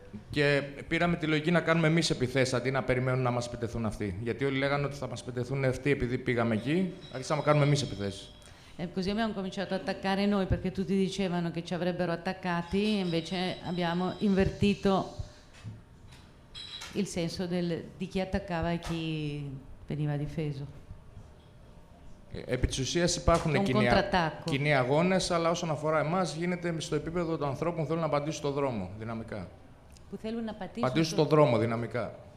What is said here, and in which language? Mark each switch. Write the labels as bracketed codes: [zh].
[el] Και πήραμε τη λογική να κάνουμε εμείς επιθέσεις αντί να περιμένουν να μας επιτεθούν αυτοί. Γιατί όλοι λέγανε ότι θα μας επιτεθούν αυτοί επειδή πήγαμε εκεί, αρχίσαμε να κάνουμε εμείς επιθέσεις. [it] Così abbiamo cominciato ad attaccare noi perché tutti dicevano che ci avrebbero attaccati, invece abbiamo invertito il senso di chi attaccava e chi veniva difeso. [el] Επί της ουσίας υπάρχουν κοινοί αγώνες, αλλά όσον αφορά εμάς γίνεται στο επίπεδο των ανθρώπων που θέλουν να απαντήσουν στον δρόμο δυναμικά. Που θέλουν να πατήσουν στον δρόμο δυναμικά.